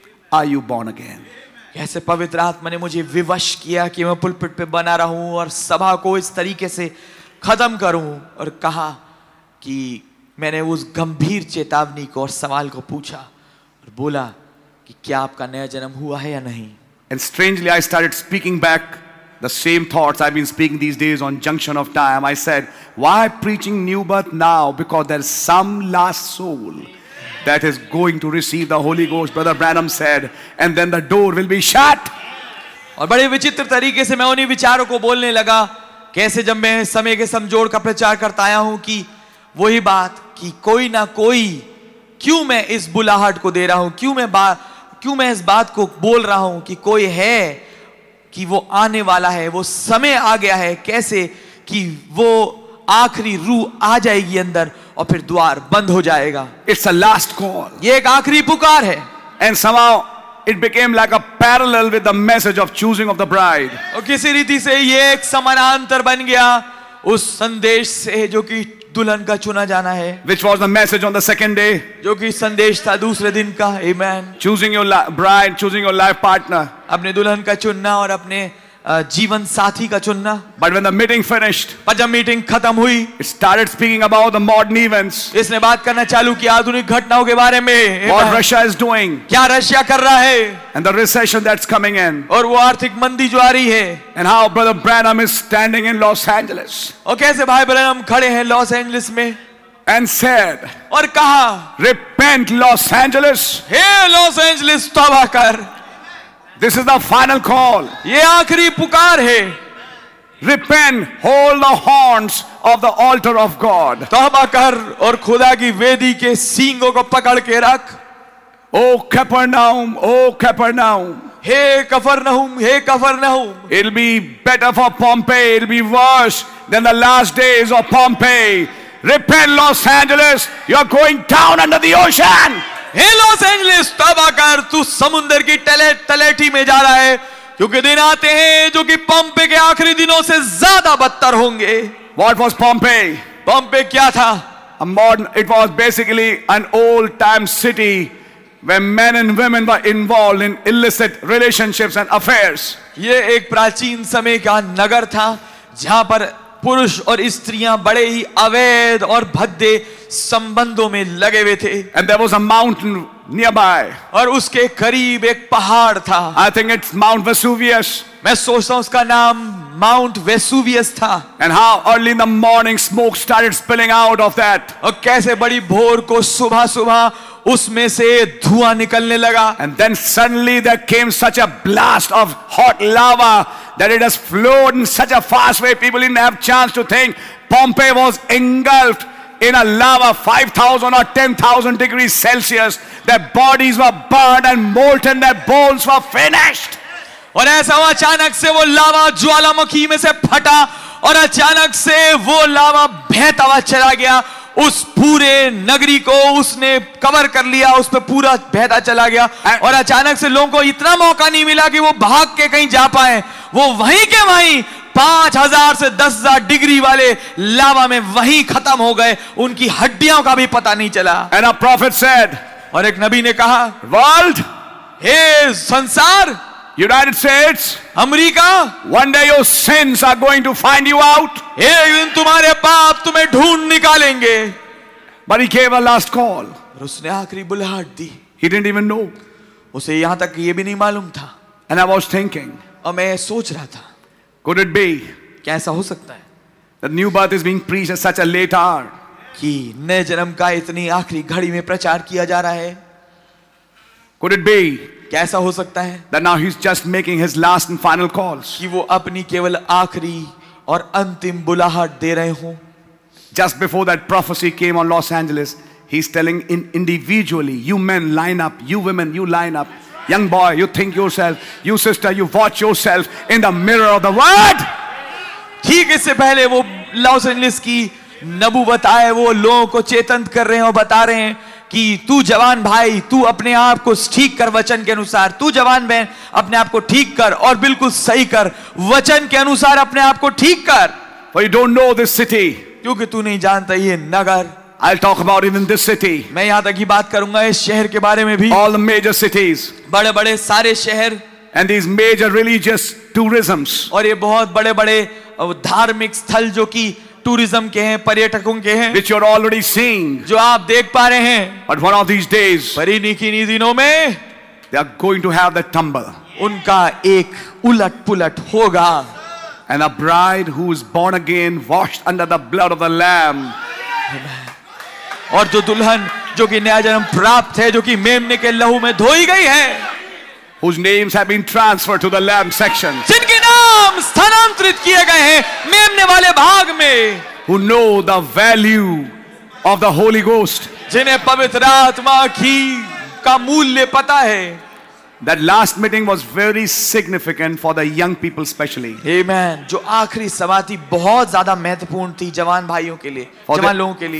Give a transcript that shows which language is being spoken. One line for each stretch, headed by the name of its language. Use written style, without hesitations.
English: Are you born again?
Hindi: कैसे पवित्र आत्मा ने मुझे विवश किया कि मैं पुलपिट पे बना रहूं और सभा को इस तरीके से खत्म करूं और कहा कि मैंने उस गंभीर चेतावनी को और सवाल को पूछा और बोला कि क्या आपका नया जन्म हुआ है या नहीं.
English: And strangely, I started speaking back the same thoughts I've been speaking these days on Junction of Time. I said, why preaching new birth now? Because there's some last soul that is going to receive the Holy Ghost, Brother Branham said, and then the door will be shut.
Hindi: और बड़े विचित्र तरीके से मैं उन्हीं विचारों को बोलने लगा, कैसे जब मैं समय के समझोड़ का प्रचार करता आया हूं कि वही बात कि कोई ना कोई, क्यों मैं इस बुलाहट को दे रहा हूं, क्यों मैं इस बात को बोल रहा हूं कि कोई है कि वो आने वाला है, वो समय आ गया है, कैसे कि वो आखिरी रूह आ जाएगी अंदर और फिर द्वार बंद हो जाएगा.
English: it's a last call,
Hindi: ये एक आखिरी पुकार है.
English: And somehow it became like a parallel with the message of choosing of the bride.
Hindi: और किसी रीति से ये एक समानांतर बन गया उस संदेश से जो कि दुल्हन का चुना जाना है.
English: Which was the message on the second day?
Hindi: जो कि संदेश था दूसरे दिन का.
English: Amen. Choosing your bride, choosing your life partner.
Hindi: अपने दुल्हन का चुनना और अपने जीवन साथी का चुनना.
English: But when the meeting finished,
Hindi: पर जब मीटिंग खत्म हुई,
English: it started speaking about the modern events.
Hindi: इसने बात करना चालू किया आधुनिक घटनाओं के बारे में.
English: What Russia is doing?
Hindi: क्या रशिया कर रहा है?
English: And the recession that's coming in.
Hindi: और वो आर्थिक मंदी जो आ रही है.
English: And how Brother Branham is standing in Los Angeles.
Hindi: और कैसे भाई ब्रैनम खड़े हैं लॉस एंजलिस में.
English: And said.
Hindi: और कहा.
English: Repent, Los Angeles.
Hindi: हे लॉस एंजलिस तौबा कर.
English: This is the final call.
Hindi: ये आखिरी पुकार है.
English: Repent, hold the horns of the altar of God.
Hindi: तौबा कर और खुदा की वेदी के सींगों को पकड़ के रख.
English: Oh Capernaum. Hey Capernaum. It'll be better for Pompeii. It'll be worse than the last days of Pompeii. Repent, Los Angeles. You're going down under the ocean.
Hindi: Hey Los Angeles तौबा कर, तू समुंदर की तलेटी में जा रहा है, क्योंकि दिन आते हैं जो कि पॉम्पे के आखिरी दिनों से ज्यादा बदतर होंगे.
English: What was Pompeii?
Hindi: पॉम्पे क्या था?
English: A modern, it was basically an old time city where men and women were involved in illicit relationships and affairs.
Hindi: ये एक प्राचीन समय का नगर था जहां पर पुरुष और स्त्रियां बड़े ही अवैध और भद्दे संबंधों में लगे हुए थे.
English: And there was a mountain nearby.
Hindi: और उसके करीब एक पहाड़ था.
English: I think it's Mount Vesuvius.
Hindi: मैं सोचता हूं उसका नाम Mount Vesuvius था.
English: And how early in the morning smoke started spilling out of that.
Hindi: और कैसे बड़ी भोर को सुबह सुबह उसमें से धुआं निकलने लगा.
English: And then suddenly there came such a blast of hot lava that it has flowed in such a fast way. People didn't have chance to think Pompeii was engulfed in a lava 5,000 or 10,000 degrees Celsius. Their bodies were burned and molten. Their bones were finished.
Hindi: और ऐसा अचानक से वो लावा ज्वालामुखी में से फटा और अचानक से वो लावा बहता हुआ चला गया. उस पूरे नगरी को उसने कवर कर लिया, उस पर पूरा बहता चला गया और अचानक से लोगों को इतना मौका नहीं मिला कि वो भाग के कहीं जा पाए. वो वहीं के वहीं 5,000 से 10,000 डिग्री वाले लावा में वहीं खत्म हो गए. उनकी हड्डियों का भी पता नहीं चला.
English: and a prophet said,
Hindi: और एक नबी ने कहा,
English: world,
Hindi: हे संसार,
English: United States, America, one day your sins are going to find you out.
Hindi: एक दिन तुम्हारे पाप तुम्हें ढूंढ निकालेंगे.
English: But he gave a last call.
Hindi: और उसने आखिरी बुलाहट दी.
English: He didn't even know.
Hindi: उसे यहां तक ये भी नहीं मालूम था.
English: And I was thinking.
Hindi: और मैं सोच रहा था.
English: Could it be?
Hindi: क्या ऐसा हो सकता है?
English: That new birth is being preached at such a late hour.
Hindi: कि नए जन्म का इतनी आखिरी घड़ी में प्रचार किया जा रहा है.
English: Could it be?
Hindi: कैसा हो सकता है?
English: That now he's just making his last and final calls.
Hindi: कि वो अपनी केवल आखिरी और अंतिम बुलाहट दे रहे हों.
English: Just before that prophecy came on Los Angeles, he's telling individually, you men line up, you women you line up, young boy you think yourself, you sister you watch yourself in the mirror of the word.
Hindi: ठीक इससे पहले वो Los Angeles की नबूवत आए, वो लोगों को चेतन कर रहे हैं और बता रहे हैं कि तू जवान भाई, तू अपने आप को ठीक कर वचन के अनुसार. तू जवान बहन, अपने आप को ठीक कर और बिल्कुल सही कर, वचन के अनुसार अपने आप को ठीक कर.
English: For you don't know this city.
Hindi: क्योंकि तू नहीं जानता ये नगर.
English: I'll talk about even this city.
Hindi: मैं यहां तक ही बात करूंगा इस शहर के बारे में भी.
English: All the major cities.
Hindi: बड़े बड़े सारे शहर.
English: And these major religious tourisms.
Hindi: और ये बहुत बड़े बड़े धार्मिक स्थल जो कि टूरिज्म के हैं, पर्यटकों के हैं,
English: which you are already seeing,
Hindi: जो आप देख पा रहे हैं,
English: but one of these days,
Hindi: परी निकी दिनों में,
English: they are going to have that tumble,
Hindi: उनका एक उलट पुलट होगा.
English: And a bride who is born again, washed under the blood of the Lamb.
Hindi: और जो दुल्हन जो कि नया जन्म प्राप्त है, जो कि मेमने के लहू में धोई गई है,
English: whose names have been transferred to the Lamb section.
Hindi: जिनके नाम स्थानांतरित किए गए हैं मेमने वाले भाग में,
English: who know the value of the Holy Ghost.
Hindi: जिन्हें पवित्र आत्मा की का मूल्य पता है.
English: That last meeting was very significant for the young people especially. Amen.
Hindi: जो आखरी समाधि बहुत ज़्यादा महत्वपूर्ण थी जवान भाइयों के लिए, जवान लोगों के लिए.